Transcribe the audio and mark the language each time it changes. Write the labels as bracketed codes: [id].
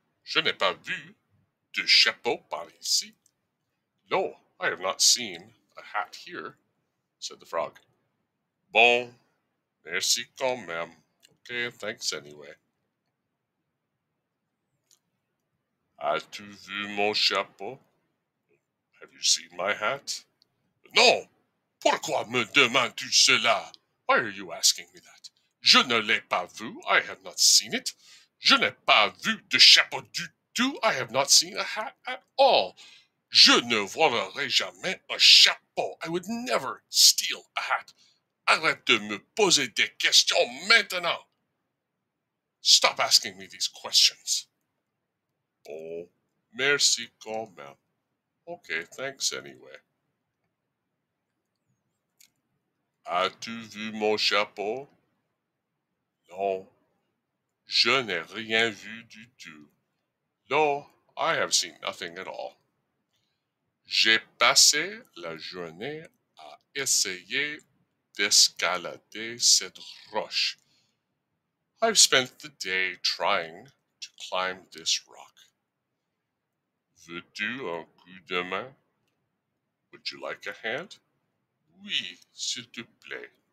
[fr] Je n'ai pas vu de chapeau par ici. [en] No, I have not seen a hat here, said the frog. [fr] Bon, merci quand même. [en] Okay, thanks anyway. [fr] As-tu vu mon chapeau? [en] Have you seen my hat? [fr] Non, pourquoi me demandes-tu cela? [en] Why are you asking me that? [fr] Je ne l'ai pas vu, [en] I have not seen it. [fr] Je n'ai pas vu de chapeau du tout. [en] I have not seen a hat at all. [fr] Je ne volerai jamais un chapeau. [en] I would never steal a hat. [fr] Arrête de me poser des questions maintenant. [en] Stop asking me these questions. [fr] Oh, merci quand même. [en] Okay, thanks anyway. [fr] As-tu vu mon chapeau? Non. Je n'ai rien vu du tout. [en] No, I have seen nothing at all. [fr] J'ai passé la journée à essayer d'escalader cette roche. [en] I've spent the day trying to climb this rock. [fr] Veux-tu un coup de main? [en] Would you like a hand? [fr] Oui, s'il te plaît.